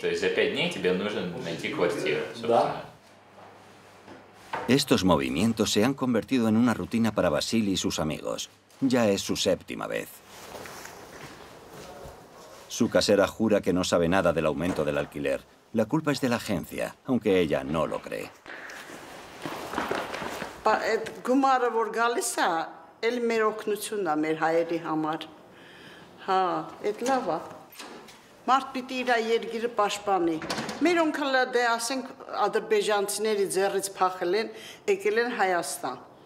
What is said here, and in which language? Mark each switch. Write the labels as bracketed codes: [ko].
[ru] То есть за 5 дней тебе нужно найти квартиру, собственно. Да. [es] Estos movimientos se han convertido en una rutina para Vasily y sus amigos. Ya es su séptima vez. Su casera jura que no sabe nada del aumento del alquiler. La culpa es de la agencia, aunque ella no lo cree. [hy] Գումարը որ գալիս է, էլ մեր օգնությունն է մեր հայերի համար. Հա, էդ լավ է. Մարդ պիտի իր երկիրը պաշտպանի. Մեր օնքը դե ասենք ադրբեջանցիների ձեռից փախել են, եկել են Հայաստան.